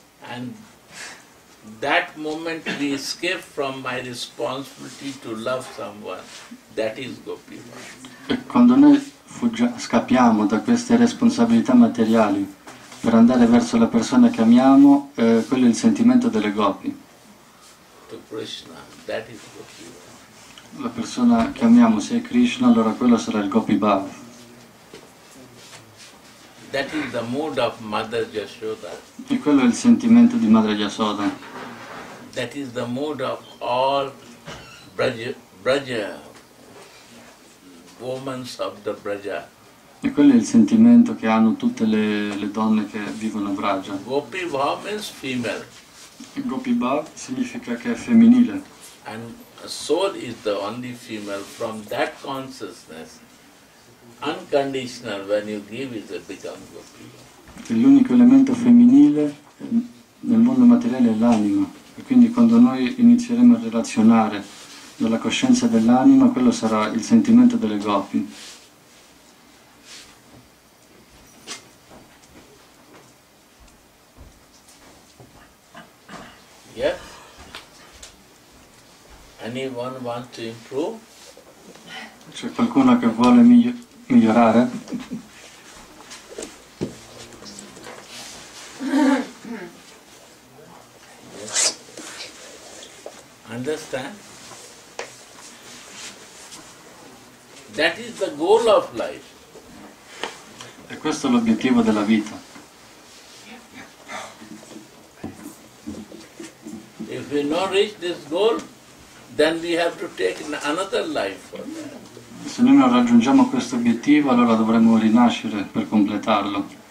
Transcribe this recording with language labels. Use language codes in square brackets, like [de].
[en] And that moment we escape from my responsibility to love someone, that is gopi bhava. [it] E quando noi scappiamo da queste responsabilità materiali per andare verso la persona che amiamo, quello è il sentimento delle gopi. [en] To Krishna, that is gopi bhava. [it] La persona che amiamo, se è Krishna, allora quello sarà il gopi bhava. [en] That is the mood of Mother Yashoda. [it] E quello è il sentimento di Madre Yashoda. [en] That is the mood of all Braja, women of the Braja. [it] E quello è il sentimento che hanno tutte le donne che vivono a Braja. [en] Gopi Bhava means female. [it] E Gopi Bhava significa che è femminile. [en] And soul is the only female from that consciousness. Unconditional when you give is a become gopi. [it] E l'unico elemento femminile nel mondo materiale è l'anima. E quindi quando noi inizieremo a relazionare dalla coscienza dell'anima, quello sarà il sentimento delle gopi. [en] Yes? Anyone want to improve? [it] C'è qualcuno che vuole migliorare? [en] Understand? That is the goal of life. [it] E questo è l'obiettivo della vita. [en] If we not reach this goal, then we have to take another life for that. [it] Se noi non raggiungiamo questo obiettivo, allora dovremmo rinascere per completarlo.